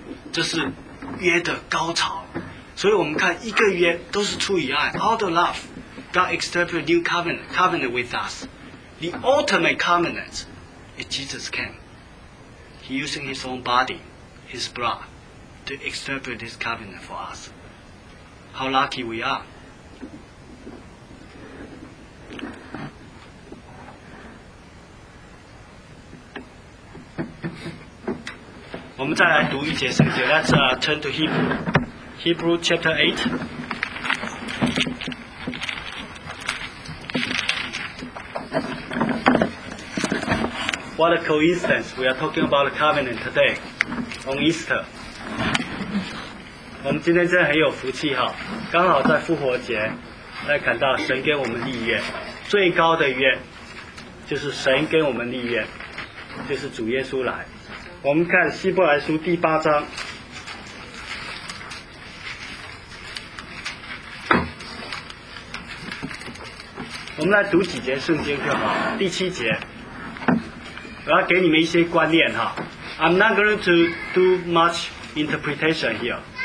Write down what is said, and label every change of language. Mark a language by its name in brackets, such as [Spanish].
[Chinese] 这是约的高潮，所以我们看一个约都是出于爱。 [English] All the love, God established new covenant with us. The ultimate covenant is Jesus came. He using his own body, his blood, to establish this covenant for us. How lucky we are. Let's turn to Hebrew. Hebrew chapter 8. What a coincidence. We are talking about the covenant today on Easter. [Chinese] 我们今天真的很有福气哈，刚好在复活节来看到神给我们立约，最高的约就是神给我们立约，就是主耶稣来。我们看希伯来书第八章，我们来读几节圣经就好。第七节，我要给你们一些观念哈。 [English] I'm not going to do much interpretation here.